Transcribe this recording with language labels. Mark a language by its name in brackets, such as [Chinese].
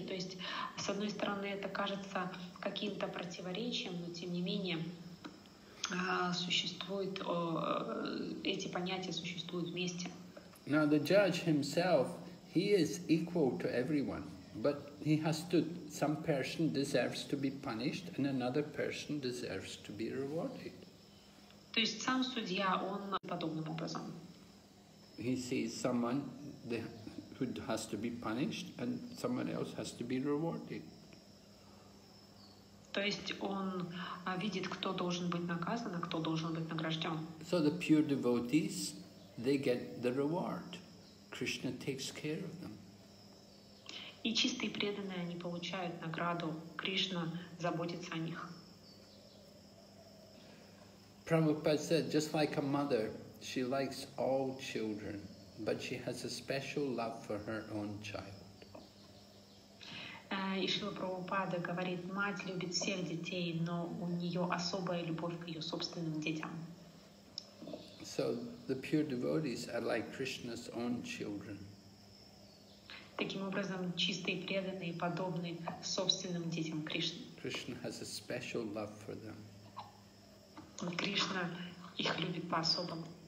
[Russian] То есть, с одной стороны, это кажется каким-то противоречием, но тем не менее существует эти понятия существуют вместе. [English] Now the judge himself, he is equal to everyone, but he has to. Some person deserves to be punished, and another person deserves to be rewarded. [Russian] То есть сам судья, он подобным образом. [English] He sees someone who has to be punished, and someone else has to be rewarded. [Russian] То есть он видит, кто должен быть наказан, а кто должен быть награжден. [English] So the pure devotees, they get the reward. Krishna takes care of them. [Russian] И чистые преданные, они получают награду. Кришна заботится о них. [English] Prabhupada said, just like a mother, she likes all children, but she has a special love for her own child. [Russian] И Шрила Прабхупада говорит, мать любит всех детей, но у нее особая любовь к ее собственным детям. [English] So the pure devotees are like Krishna's own children. [Russian] Таким образом, чистые преданные подобны собственным детям Кришны. [English] Krishna has a special love for them. [Russian] Кришна их любит по-особому.